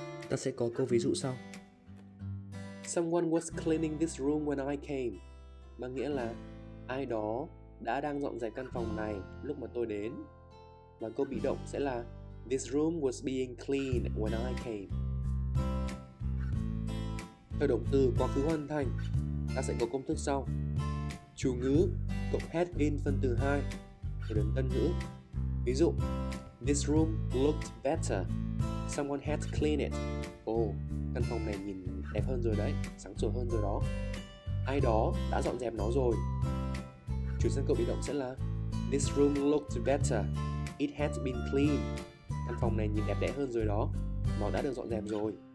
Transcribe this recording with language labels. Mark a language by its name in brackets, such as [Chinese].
[Vietnamese] Ta sẽ có câu ví dụ sau. [English] Someone was cleaning this room when I came, [Vietnamese] mang nghĩa là ai đó đã đang dọn dẹp căn phòng này lúc mà tôi đến. Và câu bị động sẽ là [English] this room was being cleaned when I came. [Vietnamese] Thời động từ quá khứ hoàn thành, ta sẽ có công thức sau: chủ ngữ cộng had been, phân từ 2, rồi đến tân ngữ. Ví dụ: [English] this room looked better, someone had cleaned it. [Vietnamese] Căn phòng này nhìn đẹp hơn rồi đấy, sáng sủa hơn rồi đó, ai đó đã dọn dẹp nó rồi. Chuyển sang câu bị động sẽ là [English] this room looked better, it had been cleaned. [Vietnamese] Căn phòng này nhìn đẹp đẽ hơn rồi đó, nó đã được dọn dẹp rồi.